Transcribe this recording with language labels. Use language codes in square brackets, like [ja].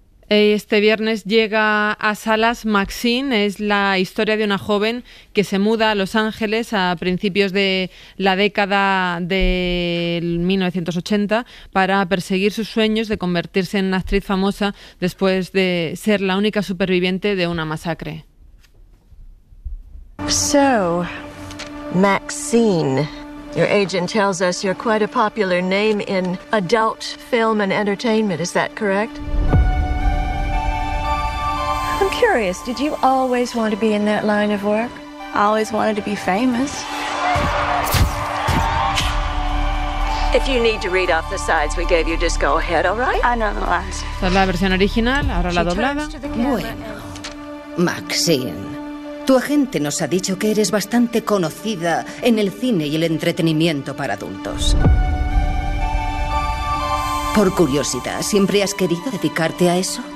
[es] Este viernes llega a salas Maxine, es la historia de una joven que se muda a Los Ángeles a principios de la década de 1980 para perseguir sus sueños de convertirse en una actriz famosa después de ser la única superviviente de una masacre. [en] So, Maxine, your agent tells us you're quite a popular name in adult film and entertainment, is that correct? I'm curious, did you always want to be in that line of work? I always wanted to be famous. If you need to read off the sides we gave you, just go ahead, all right? I know the lines. [es] Esta es la versión original, ahora la doblada. Bueno, Maxine, tu agente nos ha dicho que eres bastante conocida en el cine y el entretenimiento para adultos. Por curiosidad, ¿siempre has querido dedicarte a eso?